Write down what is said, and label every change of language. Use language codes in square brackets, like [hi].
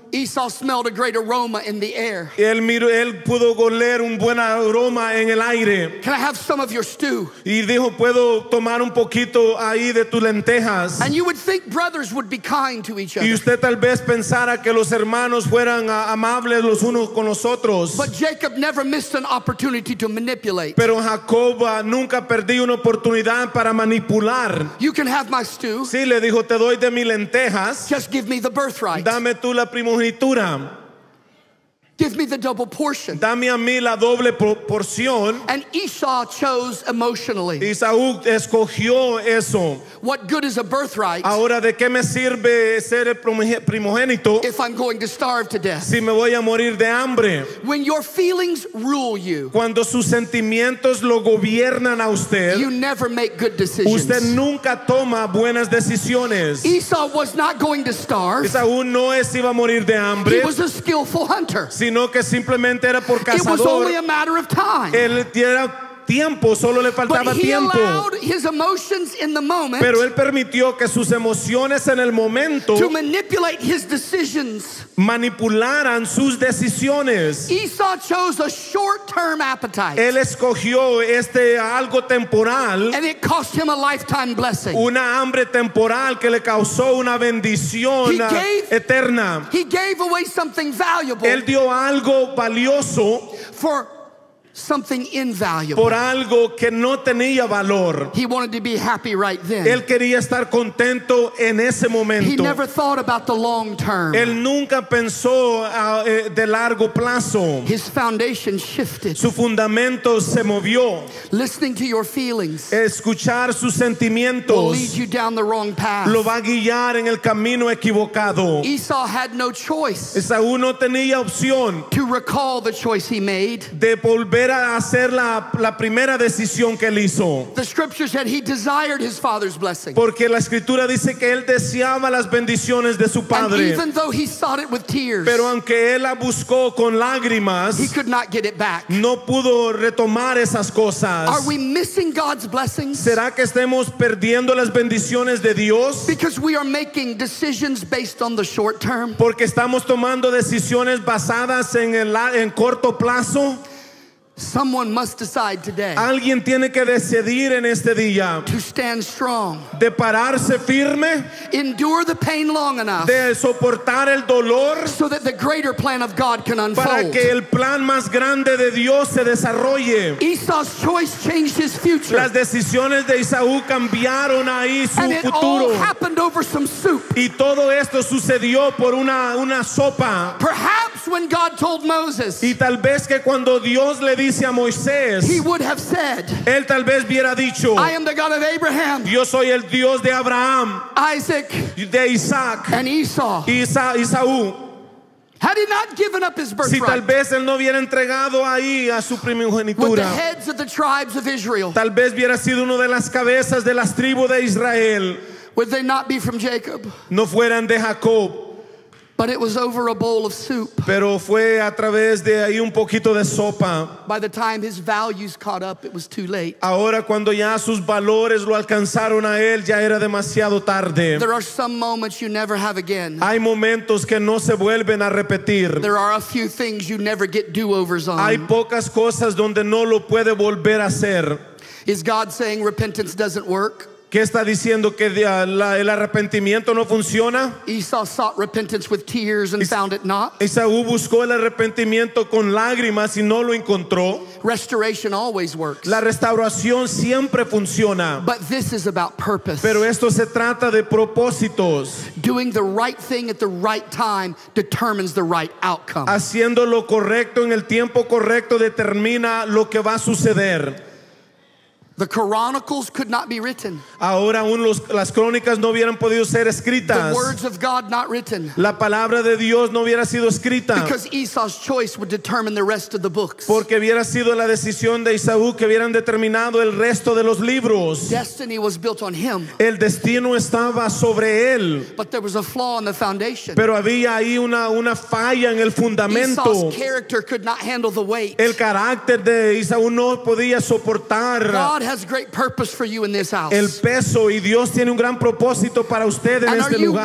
[en] Esau smelled a great aroma in the air. [es] Él pudo oler un buen aroma en el aire. [en] Can I have some of your stew? [es] Y dijo, puedo tomar un poquito ahí de tus lentejas. [en] And you would think brothers would be kind to each other. [es] Y usted tal vez pensara que los hermanos fueran amables los unos con los otros. [en] But Jacob never missed an opportunity to manipulate. [es] Pero Jacob nunca perdí una oportunidad para manipular. [en] You can have my stew. [es] Sí, le dijo, te doy de mis lentejas. [en] Just give me the birthright. [es] Dame tú la primera. [en] Give me the double portion. [es] Dame a mí la doble porción. [en] And Esau chose emotionally. [es] Esaú escogió eso. [en] What good is a birthright? [es] Ahora, ¿de qué me sirve ser el primogénito? [en] If I'm going to starve to death. [es] Si me voy a morir de hambre. [en] When your feelings rule you. [es] Cuando sus sentimientos lo gobiernan a usted. [en] You never make good decisions. [es] Usted nunca toma buenas decisiones. [en] Esau was not going to starve. [es] Esaú no es iba a morir de hambre. [en] He was a skillful hunter. [es] Sino que simplemente era por cazador. [en] It was only a matter of time. [es] Él era tiempo, solo le faltaba tiempo. [en] But he allowed his emotions in the moment. [es] Pero él permitió que sus emociones en el momento [en] to manipulate his decisions. [es] Manipularan sus decisiones. [en] Esau chose a short-term appetite. [es] Él escogió este algo temporal. [en] And it cost him a lifetime blessing. [es] Una hambre temporal que le causó una bendición eterna. [en] He gave away something valuable. [es] Él dio algo valioso [en] for something invaluable. [es] Por algo que no tenía valor. [en] He wanted to be happy right then. [es] Él quería estar contento en ese momento. [en] He never thought about the long term. [es] Él nunca pensó de largo plazo. [en] His foundation shifted. [es] Su fundamento se movió. [en] Listening to your feelings. [es] Escuchar sus sentimientos. [en] Will lead you down the wrong path. [es] Lo va a guiar en el camino equivocado. [en] Esau had no choice. [es] Esaú no tenía opción. [en] To recall the choice he made. [es] De volver a hacer la primera decisión que él hizo. [en] The scripture said he desired his father's blessing. [es] Porque la escritura dice que él deseaba las bendiciones de su padre. [en] And even though he sought it with tears, [es] pero aunque él la buscó con lágrimas, [en] he could not get it back. [es] No pudo retomar esas cosas. [en] Are we missing God's blessings? [es] ¿Será que estemos perdiendo las bendiciones de Dios? [en] Because we are making decisions based on the short term. [es] Porque estamos tomando decisiones basadas en corto plazo. [en] Someone must decide today. [es] Alguien tiene que decidir en este día. [en] To stand strong. [es] De pararse firme. [en] Endure the pain long enough. [es] De soportar el dolor. [en] So that the greater plan of God can unfold. [es] Para que el plan más grande de Dios se desarrolle. [en] Esau's choice changed his future. [es] Las decisiones de Esaú cambiaron ahí su futuro. [en] And it all happened over some soup. [es] Y todo esto sucedió por una sopa. [en] Perhaps when God told Moses. [es] Y tal vez que cuando Dios le dice a Moisés, [en] he would have said, [es] él tal vez hubiera dicho, [en] I am the God of Abraham, [es] yo soy el Dios de Abraham, [en] Isaac, [es] de Isaac, [en] and Esau. [es] Esaú. [en] Had he not given up his birthright, [es] si tal vez él no hubiera entregado ahí a su primogenitura, [en] with the heads of the tribes of Israel, [es] tal vez hubiera sido uno de las cabezas de las tribus de Israel, [en] would they not be from Jacob? [es] No fueran de Jacob. [en] But it was over a bowl of soup. [es] Pero fue a través de ahí un poquito de sopa. [en] By the time his values caught up, it was too late. [es] Ahora cuando ya sus valores lo alcanzaron a él, ya era demasiado tarde. [en] There are some moments you never have again. [es] Hay momentos que no se vuelven a repetir. [en] There are a few things you never get do-overs on. [es] Hay pocas cosas donde no lo puede volver a hacer. [en] Is God saying repentance doesn't work? [es] ¿Qué está diciendo que el arrepentimiento no funciona? [en] Esau sought repentance with tears and found it not. [es] Esaú buscó el arrepentimiento con lágrimas y no lo encontró. [en] Restoration always works. [es] La restauración siempre funciona. [en] But this is about purpose. [es] Pero esto se trata de propósitos. [en] Doing the right thing at the right time determines the right outcome. [es] Haciendo lo correcto en el tiempo correcto determina lo que va a suceder. [en] The Chronicles could not be written. [es] Ahora aún las crónicas no hubieran podido ser escritas. [en] The words of God not written. [es] La palabra de Dios no hubiera sido escrita. [en] Because Esau's choice would determine the rest of the books. [es] Porque hubiera sido la decisión de Esaú que hubieran determinado el resto de los libros. [en] Destiny was built on him. [es] El destino estaba sobre él. [en] But there was a flaw in the foundation. [es] Pero había ahí una falla en el fundamento. [en] Esau's character could not handle the weight. [es] El carácter de Esaú no podía soportar. [en] God has great purpose for you in this house. [es] El peso y Dios tiene un gran propósito para usted en este lugar.